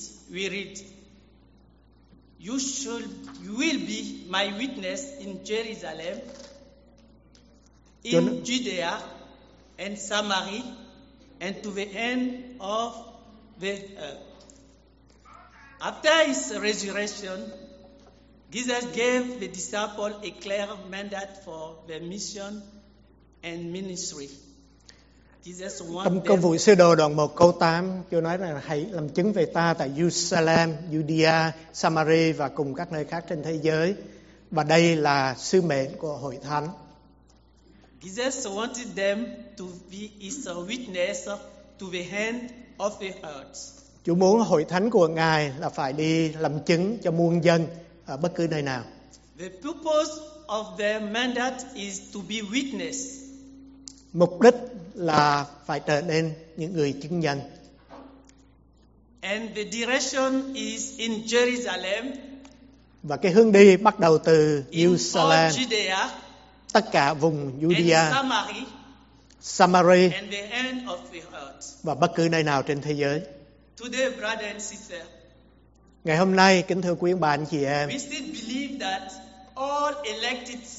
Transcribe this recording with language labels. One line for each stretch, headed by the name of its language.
English: we read, you will be my witness in Jerusalem, in Judea, and Samaria, and to the end of the earth. After his resurrection, Jesus gave the disciples a clear mandate for their mission and ministry. Jesus wanted.
Vietnamese: Trong công vụ sứ đồ đoạn 1 câu 8, Chúa nói là hãy làm chứng về ta tại Jerusalem, Judea, Samaria và cùng các nơi khác trên thế giới. Và đây là sứ mệnh của hội thánh.
English: Jesus wanted them to be his witness to the end of the earth.
Vietnamese: Chúa muốn hội thánh của Ngài là phải đi làm chứng cho muôn dân. Ở bất cứ nơi nào.
English: The purpose of their mandate is to be witness.
Vietnamese: Mục đích là phải trở nên những người chứng nhân.
English: And the direction is in Jerusalem.
Vietnamese: Và cái hướng đi bắt đầu từ Jerusalem.
English: In Judea,
Vietnamese: tất cả vùng Judea.
English: And Samaria.
Vietnamese: Samaria.
English: And the end of the earth.
Vietnamese: Và bất cứ nơi nào trên thế giới.
English: Today, brother and sister.
Vietnamese: Ngày hôm nay, kính thưa quý ông bà anh chị em,
English: we still believe that all elected